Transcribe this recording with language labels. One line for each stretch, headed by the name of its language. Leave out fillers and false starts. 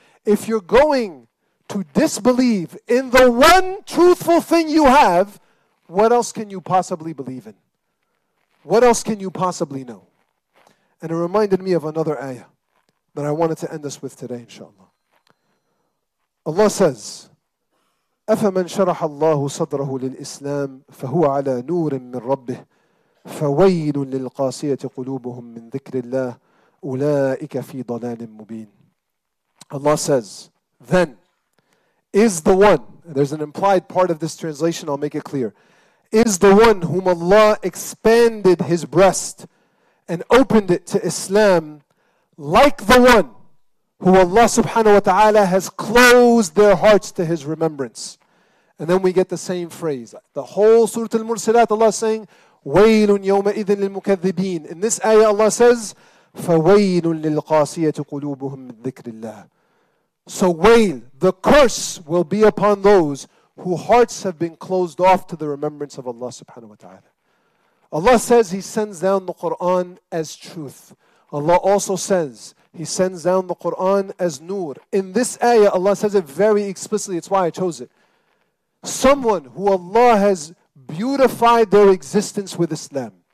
English: If you're going to disbelieve in the one truthful thing you have, what else can you possibly believe in? What else can you possibly know? And it reminded me of another ayah that I wanted to end this with today, inshallah. Allah says,
Arabic: أَفَمَنْ شَرَحَ اللَّهُ صَدْرَهُ لِلْإِسْلَامِ فَهُوَ عَلَى نُورٍ مِّنْ رَبِّهِ فَوَيْلٌ لِلْقَاسِيَةِ قُلُوبُهُمْ مِّنْ ذِكْرِ اللَّهِ أُولَٰئِكَ فِي ضَلَالٍ مُّبِينٍ.
English: Allah says, then is the one, there's an implied part of this translation, I'll make it clear, is the one whom Allah expanded his breast and opened it to Islam like the one who Allah subhanahu wa ta'ala has closed their hearts to his remembrance. And then we get the same phrase. The whole Surah Al-Mursilat, Allah is saying,
Arabic: وَيْلٌ يَوْمَئِذٍ لِلْمُكَذِّبِينَ.
English: In this ayah, Allah says,
Arabic: فَوَيْلٌ لِلْقَاسِيَةِ قُلُوبُهُمْ مِنْ ذِكْرِ اللَّهِ.
English: So wail, the curse will be upon those who hearts have been closed off to the remembrance of Allah subhanahu wa ta'ala. Allah says He sends down the Quran as truth. Allah also says He sends down the Quran as nur. In this ayah, Allah says it very explicitly. It's why I chose it. Someone who Allah has beautified their existence with Islam.